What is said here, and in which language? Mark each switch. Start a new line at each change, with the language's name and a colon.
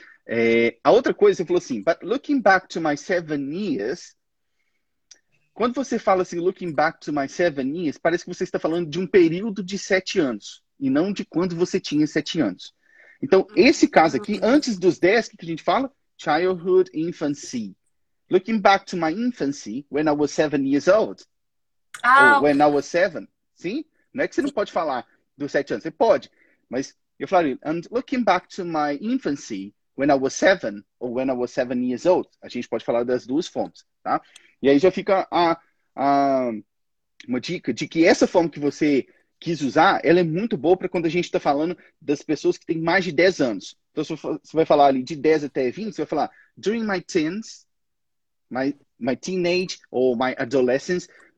Portuguese: É, a outra coisa, você falou assim,
English: but looking back to my 7 years,
Portuguese: quando você fala assim,
English: looking back to my 7 years,
Portuguese: parece que você está falando de um período de 7 anos, e não de quando você tinha 7 anos. Então, esse caso aqui, antes dos 10, o que a gente fala?
English: Childhood, infancy. Looking back to my infancy, when I was 7 years old. Ah, ou when I was 7.
Portuguese: Sim? Não é que você não pode falar dos 7 anos. Você pode. Mas eu falaria,
English: and looking back to my infancy, when I was 7, ou when I was 7 years old.
Portuguese: A gente pode falar das duas formas, tá? E aí já fica uma dica de que essa forma que você quis usar, ela é muito boa para quando a gente está falando das pessoas que têm mais de 10 anos. Então, se você vai falar ali de 10 até 20, você vai falar,
English: during my teens, my teenage or my adolescence.